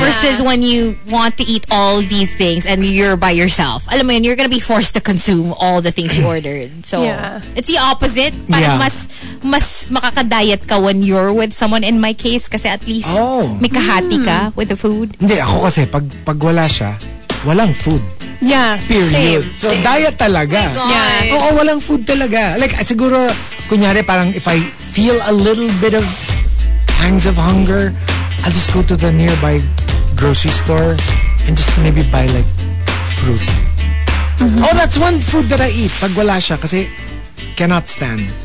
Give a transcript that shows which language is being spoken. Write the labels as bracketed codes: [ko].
[en] Versus when you want to eat all these things and you're by yourself. [tl] Alam mo yun, [en] you're gonna be forced to consume all the things you ordered. So, it's the opposite. [tl] Parang mas makaka-diet ka [en] when you're with someone in my case kasi at least [tl] may kahati ka [en] with the food. [tl] Hindi, ako kasi pag wala siya, walang food. [en] Yeah. Period. So, diet [tl] talaga. [en] Yeah. [tl] Oo, walang food talaga. [en] Like, [tl] siguro, kunyari parang [en] if I feel a little bit of pangs of hunger, I'll just go to the nearby grocery store and just maybe buy like fruit. Mm-hmm. Oh, that's one food that I eat [tl] pag wala siya kasi [en] cannot stand.